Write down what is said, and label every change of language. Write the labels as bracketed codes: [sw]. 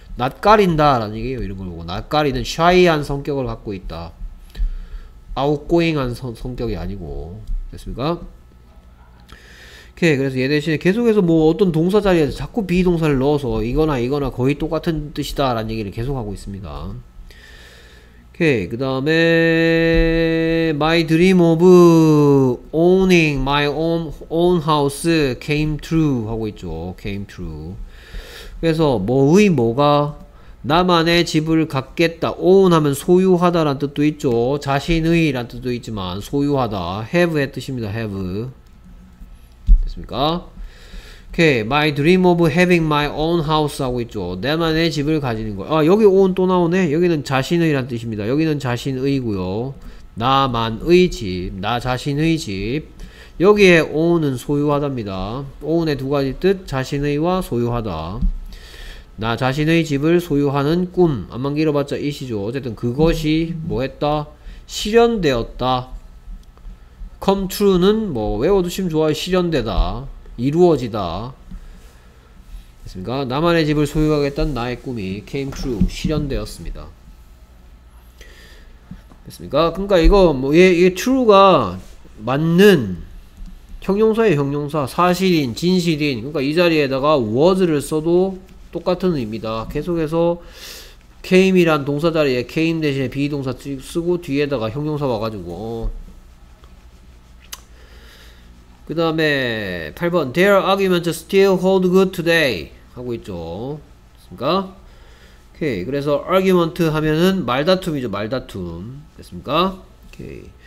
[ko] 낯가린다 라는 얘기예요. 이런 걸 보고 낯가리는 shy한 성격을 갖고 있다. outgoing한 성격이 아니고. 됐습니까? 오케이. 그래서 얘 대신에 계속해서 뭐 어떤 동사 자리에 자꾸 비동사를 넣어서 이거나 이거나 거의 똑같은 뜻이다 라는 얘기를 계속 하고 있습니다. 오케이. 그 다음에 [en] my dream of owning my own house came true [ko] 하고 있죠. [en] came true. [ko] 그래서 뭐의 뭐가 나만의 집을 갖겠다. own 하면 소유하다 라는 뜻도 있죠. 자신의 라는 뜻도 있지만 소유하다. have의 뜻입니다. have. 됐습니까? Okay. [en] My dream of having my own house [ko] 하고 있죠. 나만의 집을 가지는 거. 아, 여기 own 또 나오네. 여기는 자신의 라는 뜻입니다. 여기는 자신의고요. 나만의 집. 나 자신의 집. 여기에 own은 소유하다입니다. own의 두 가지 뜻, 자신의와 소유하다. 나 자신의 집을 소유하는 꿈. 암만 길어봤자 이시죠. 어쨌든 그것이 뭐했다? 실현되었다. [en] come true [ko] 는 뭐 외워두시면 좋아요. 실현되다. 이루어지다. 됐습니까? 나만의 집을 소유하겠다는 나의 꿈이 [en] came true. [ko] 실현되었습니다. 됐습니까? 그러니까 이거 뭐 얘 true가 맞는 형용사의 형용사, 사실인, 진실인. 그러니까 이 자리에다가 was를 써도 똑같은 의미다. 계속해서 came이란 동사 자리에 came 대신에 be 동사 쓰고 뒤에다가 형용사 와가지고. 그 다음에 8번 [en] their argument still hold good today [ko] 하고 있죠. 됐습니까? 오케이. 그래서 argument 하면은 말다툼이죠. 말다툼. 됐습니까? 오케이.